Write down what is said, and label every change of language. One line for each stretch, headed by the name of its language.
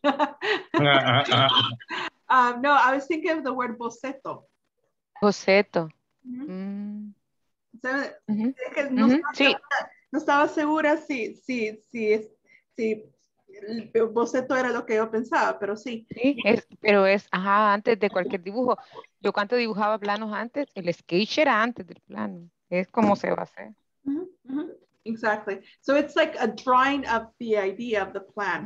English: No, I was thinking of the word boceto.
Spanish: Joseto. No estaba segura si el boceto era lo que yo pensaba, pero sí. Pero antes de cualquier dibujo. Yo cuando dibujaba planos antes, el sketch era antes del plano. Es como se va a hacer. Mm-hmm.
English: Mm-hmm. Exactly. So it's like a drawing of the idea of the plan.